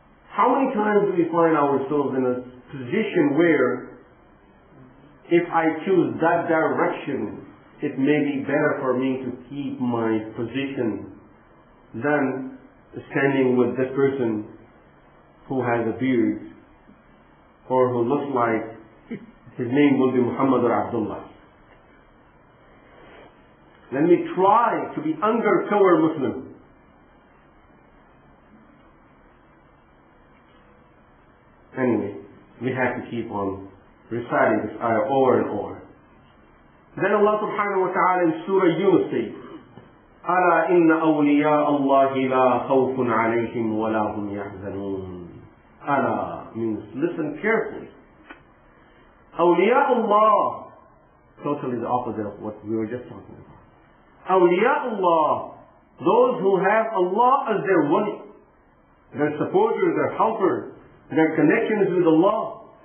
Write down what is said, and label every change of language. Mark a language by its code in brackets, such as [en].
[en] How many times do we find ourselves in a position where if I choose that direction, it may be better for me to keep my position than standing with this person who has a beard, or who looks like his name will be Muhammad or Abdullah. Let me try to be undercover Muslim. Anyway, we have to keep on reciting this ayah over and over. Then Allah subhanahu wa ta'ala in Surah Yunus says, [ar] أَلَا إِنَّ أَوْلِيَاءَ اللَّهِ لَا خَوْفٌ عَلَيْهِمْ وَلَا هُمْ يَحْزَنُونَ. [en] Ala means listen carefully. Awliyaullah, totally the opposite of what we were just talking about. Awliyaullah, those who have Allah as their wali, their supporter, their helper, their connections with Allah.